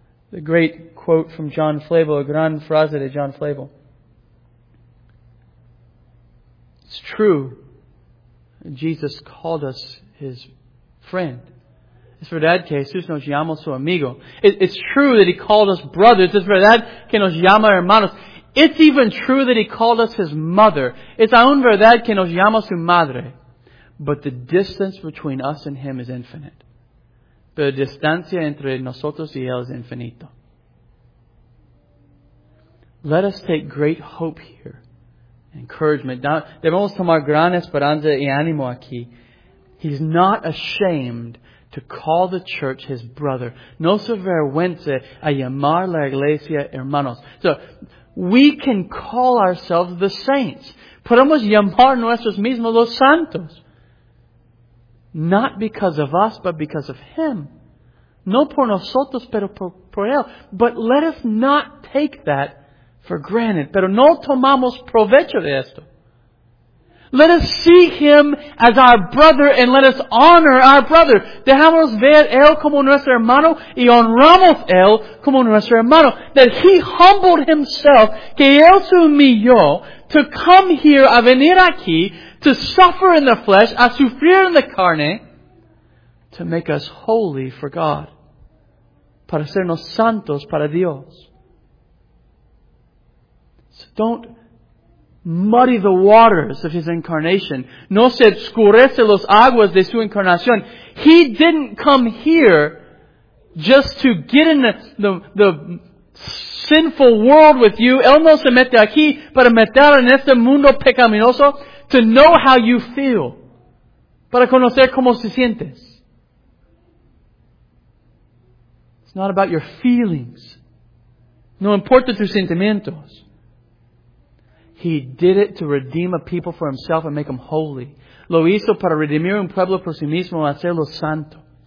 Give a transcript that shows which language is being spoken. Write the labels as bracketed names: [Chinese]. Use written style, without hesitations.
[English] The great quote from John Flavel, [Spanish] a gran frase de John Flavel. [English] It's true. Jesus called us His friend. [Spanish] Es verdad que Jesús nos llamó su amigo. [English] It's true that He called us brothers. [Spanish] Es verdad que nos llama hermanos. [English] It's even true that He called us His mother. [Spanish] Es aún verdad que nos llama su madre. [English] But the distance between us and Him is infinite. [Spanish] Pero la distancia entre nosotros y Él es infinito. [English] Let us take great hope here. Encouragement. [Spanish] Debemos tomar gran esperanza y ánimo aquí. [English] He's not ashamed to call the church his brother. [Spanish] Nos avergüenza a llamar la iglesia hermanos. [English] So, we can call ourselves the saints. [Spanish] Podemos llamar nuestros mismos los santos. [English] Not because of us, but because of him. [Spanish] No por nosotros, pero por él. [English] But let us not take that for granted. [Spanish] Pero no tomamos provecho de esto. [English] Let us see him as our brother and let us honor our brother. [Spanish] Dejamos ver él como nuestro hermano y honramos él como nuestro hermano. [English] That he humbled himself, [Spanish] que él se humilló, [English] to come here, [Spanish] a venir aquí, [English] to suffer in the flesh, [Spanish] a sufrir en la carne, [English] to make us holy for God. [Spanish] Para sernos santos para Dios. [English] So don't muddy the waters of his incarnation. [Spanish] No se escurece los aguas de su encarnación. [English] He didn't come here just to get in the sinful world with you. [Spanish] Él no se mete aquí para meter en este mundo pecaminoso [English] to know how you feel. [Spanish] Para conocer cómo se sientes. [English] It's not about your feelings. [Spanish] No importa tus sentimientos. [English] He did it to redeem a people for himself and make them holy. [Spanish] Lo hizo para redimir un pueblo por sí mismo y hacerlo santo.